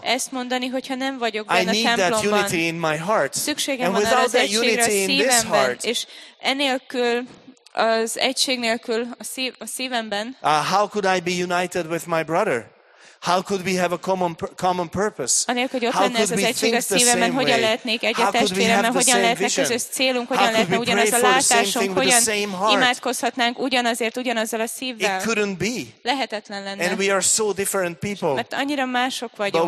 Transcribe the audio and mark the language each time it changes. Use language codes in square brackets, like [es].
[hu] Ezt mondani, hogyha nem vagyok benne a templomban. [en] I need that unity in my heart. [hu] Szükségem van arra az egységre a szívemben. És enélkül az egység nélkül a szívemben. [en] How could I be united with my brother? How could we have a common purpose? [hu] Anélkül, hogy ott lenne ez az egység a szívemben, hogyan lehetnék egy a testvéremmel, hogyan lehetne közös célunk, hogyan lehetne ugyanaz a látásunk, hogyan imádkozhatnánk ugyanazért, ugyanazzal a szívvel. [en] It couldn't be. [hu] Lehetetlen lenne. [en] And we are so different people. [hu] Mert annyira mások vagyunk.